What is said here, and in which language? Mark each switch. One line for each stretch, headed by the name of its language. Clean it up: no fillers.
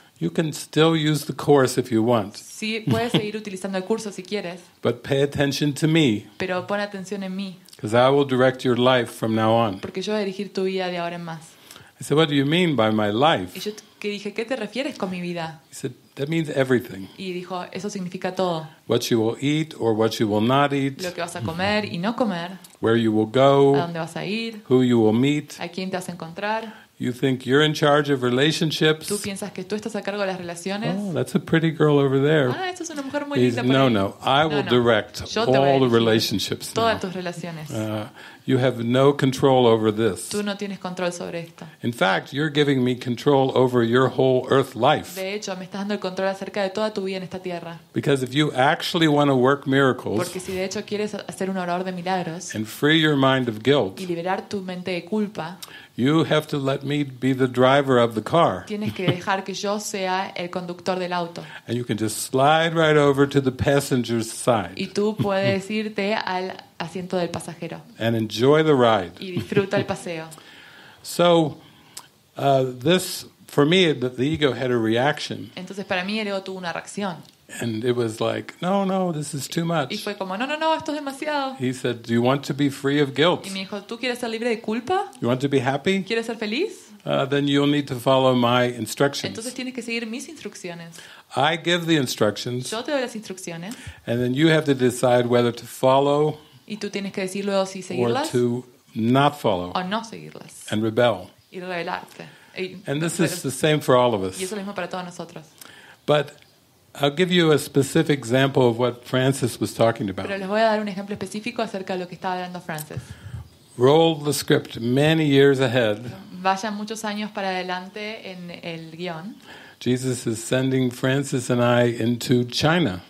English: You can still use the course if you want.
Spanish: Sí, puedes seguir utilizando el curso si quieres.
English: But pay attention to me.
Spanish: Pero pon atención en mí.
English: Because I will direct your life from now on.
Spanish: Porque yo voy a dirigir tu vida de ahora en más.
English: I said, "What do you mean by my life?"
Spanish: Y yo que dije, "¿Qué te refieres con mi vida?"
English: He said, "That means everything."
Spanish: Y dijo, "Eso significa todo."
English: What you will eat or what you will not eat.
Spanish: Lo que vas a comer y no comer.
English: Where you will go.
Spanish: A dónde vas a ir.
English: Who you will meet.
Spanish: A quién te vas a encontrar.
English: You think you're in charge of relationships.
Spanish: Tú piensas que tú estás a cargo de las relaciones.
English: Oh, that's a pretty girl over there.
Spanish: Ah, esa es una mujer muy linda por ahí.
English: No. I will direct all the relationships.
Spanish: Todas tus relaciones.
English: You have no control over this.
Spanish: Tú no tienes control sobre esto.
English: In fact, you're giving me control over your whole earth life.
Spanish: De hecho, me estás dando el control acerca de toda tu vida en esta tierra.
English: Because if you actually want to work miracles.
Spanish: Porque si de hecho quieres hacer un orador de milagros.
English: And free your mind of guilt.
Spanish: Y liberar tu mente de culpa.
English: You have to let me be the driver of the car.
Spanish: Tienes que dejar que yo sea el conductor del auto.
English: And you can just slide right over to the passenger's side.
Spanish: Y tú puedes irte al asiento del pasajero.
English: And enjoy the ride.
Spanish: Y disfruta el paseo.
English: So, this for me, the ego had a reaction.
Spanish: Entonces para mí el ego tuvo una reacción.
English: And it was like, no, this is too much.
Spanish: Y fue como, no, esto es demasiado.
English: He said, "Do you want to be free of guilt?"
Spanish: Y me dijo, ¿tú quieres ser libre de culpa?
English: You want to be happy?
Spanish: ¿Quieres ser feliz?
English: Then you'll need to follow my instructions.
Spanish: Entonces tienes que seguir mis instrucciones.
English: I give the instructions.
Spanish: Yo te doy las instrucciones.
English: And then you have to decide whether to follow.
Spanish: Y tú tienes que decir luego si seguirlas.
English: Or to not follow.
Spanish: O no seguirlas.
English: And rebel.
Spanish: Y rebelarte.
English: And this is the same for all of us.
Spanish: Y eso es lo mismo para todos nosotros.
English: But I'll give you a specific example of what Francis was talking about.
Spanish: Pero les voy a dar un ejemplo específico acerca de lo que estaba hablando Francis.
English: Roll the script many years ahead.
Spanish: Vayan muchos años para adelante en el guión.
English: Jesus is sending Francis and I into China.